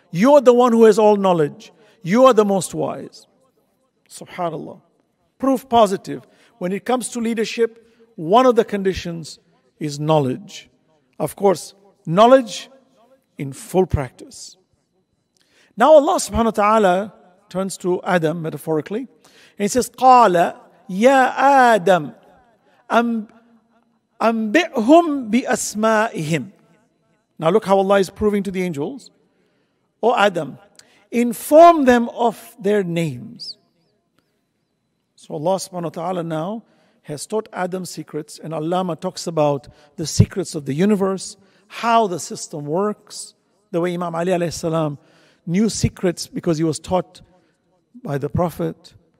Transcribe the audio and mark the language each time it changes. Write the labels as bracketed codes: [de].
[en] You are the one who has all knowledge. You are the most wise. Subhanallah. Proof positive. When it comes to leadership, one of the conditions is knowledge. Of course, knowledge in full practice. Now Allah subhanahu wa ta'ala turns to Adam metaphorically. And he says, [ar] قَالَ يَا آدَمْ أَنْبِئْهُمْ بِأَسْمَائِهِمْ. [en] Now look how Allah is proving to the angels. O Adam, inform them of their names. So Allah subhanahu wa ta'ala now has taught Adam secrets, and Allama talks about the secrets of the universe, how the system works, the way Imam Ali alayhi salam knew secrets because he was taught by the Prophet.